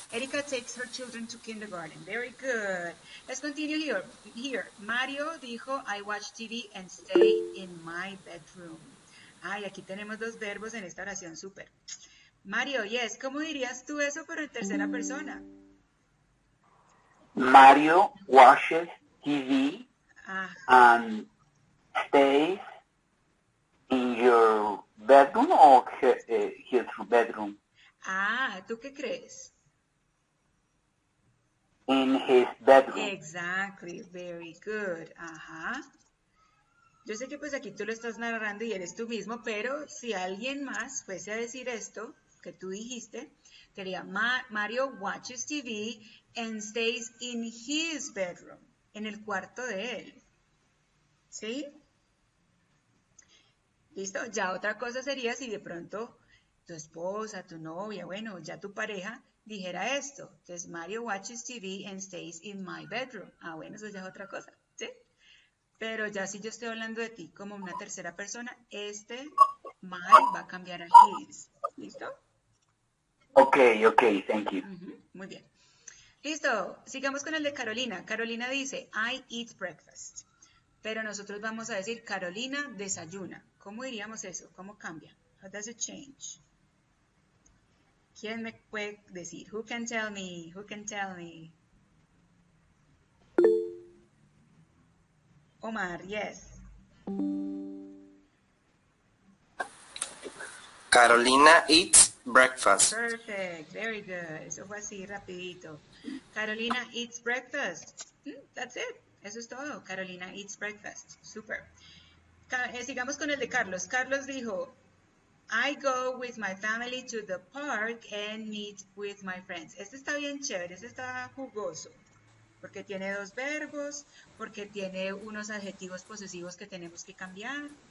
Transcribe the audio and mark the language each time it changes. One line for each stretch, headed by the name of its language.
English: Erika takes her children to kindergarten. Very good. Let's continue here.
Spanish: Mario dijo,
English: I watch TV and stay in my bedroom.
Spanish: Ay, aquí tenemos dos verbos en esta oración, súper.
English: Mario, yes,
Spanish: ¿cómo dirías tú eso, pero en tercera persona?
English: Mario watches TV and stays in your bedroom or his bedroom?
Spanish: Ah, ¿tú qué crees?
English: bedroom. Exactly, very good. Ajá.
Spanish: Yo sé que pues aquí tú lo estás narrando y eres tú mismo, pero si alguien más fuese a decir esto que tú dijiste, sería
English: Mario watches TV and stays in his bedroom,
Spanish: en el cuarto de él. ¿Sí? ¿Listo? Ya otra cosa sería si de pronto tu esposa, tu novia, bueno, ya tu pareja dijera esto. Entonces,
English: Mario watches TV and stays in my bedroom.
Spanish: Ah, bueno, eso ya es otra cosa, ¿sí? Pero ya si yo estoy hablando de ti como una tercera persona, este my va a cambiar a his. ¿Listo?
English: Ok, ok, thank you.
Spanish: Uh-huh, muy bien. Listo, sigamos con el de Carolina. Carolina dice,
English: I eat breakfast.
Spanish: Pero nosotros vamos a decir, Carolina desayuna. ¿Cómo diríamos eso? ¿Cómo cambia?
English: How does it change?
Spanish: ¿Quién me puede decir?
English: Who can tell me? Who can tell me? Omar, yes. Carolina eats breakfast. Perfect, very good.
Spanish: Eso fue así, rapidito.
English: Carolina eats breakfast. That's it.
Spanish: Eso es todo.
English: Carolina eats breakfast.
Spanish: Super. Sigamos con el de Carlos. Carlos dijo,
English: I go with my family to the park and meet with my friends.
Spanish: Este está bien chévere, este está jugoso. Porque tiene dos verbos, porque tiene unos adjetivos posesivos que tenemos que cambiar.